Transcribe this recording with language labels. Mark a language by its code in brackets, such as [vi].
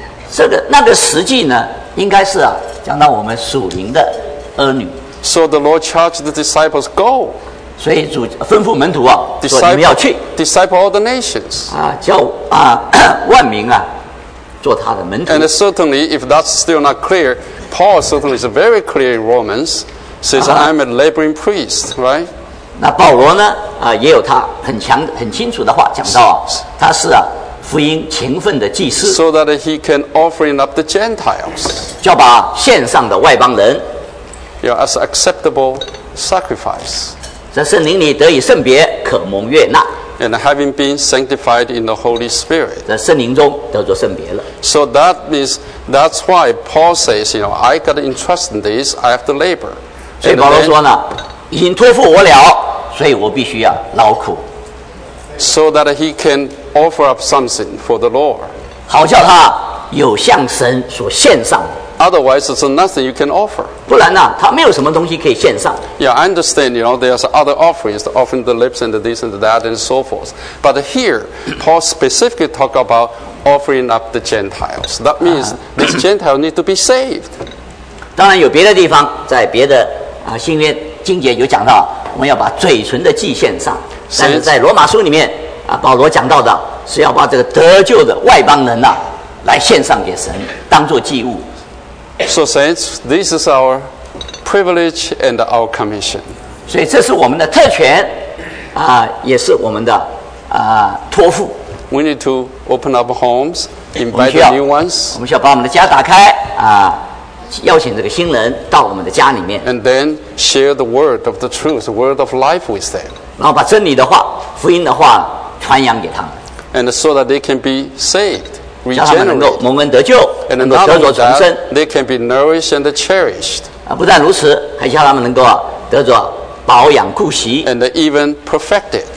[zh] 这个那个实际呢应该是、啊、讲到我们属灵的儿女 [en] So the Lord charged the disciples go [zh] 所以主吩咐门徒啊，说你们要去 [en] ，disciple all the nations， [zh] 啊，叫啊万民啊，做他的门徒。 [en] And certainly, if that's still not clear, Paul certainly is very clear in Romans, says I'm a laboring priest, right? [zh] 那保罗呢？也有他很清楚的话讲到啊，他是啊福音勤奋的祭司 [en] ，so that he can offering up the Gentiles， [zh] 叫把献上的外邦人 [en] ，yeah, as acceptable sacrifice。 [zh] 在圣灵里得以圣别，可蒙悦纳。 [en] And having been sanctified in the Holy Spirit. [zh] 在圣灵中得着圣别了。 [en] So that means that's why Paul says, you know, I got interest in this, I have to labor. [zh] 所以保罗说呢，已经托付我了，所以我必须要劳苦。 [en] So that he can offer up something for the Lord. [zh] 好叫他有向神所献上的。 [en] Otherwise, there's nothing you can offer. [zh] 不然呢，他没有什么东西可以献上。 [en] Yeah, I understand. You know, there's other offerings, the offering the lips and the this and the that and so forth. But here, Paul specifically talk about offering up the Gentiles. That means this Gentile need to be saved. [zh] 当然有别的地方，在别的新约经节有讲到，我们要把嘴唇的祭献上。但是在罗马书里面保罗讲到的是要把这个得救的外邦人呐、来献上给神，当作祭物。 [en] So saints, this is our privilege and our commission. [zh] 所以这是我们的特权，也是我们的托付。 [en] We need to open up homes, invite the new ones. [zh] 我们需要把我们的家打开邀请这个新人到我们的家里面。 [en] And then share the word of the truth, the word of life with them. [zh] 然后把真理的话、福音的话传扬给他们。 [en] And so that they can be saved. [zh] 叫他们能够蒙恩得救，能够得着重生。 [en] They can be nourished and cherished. [zh] 不但如此，还叫他们能够得着保养顾惜。 [en] And even perfected.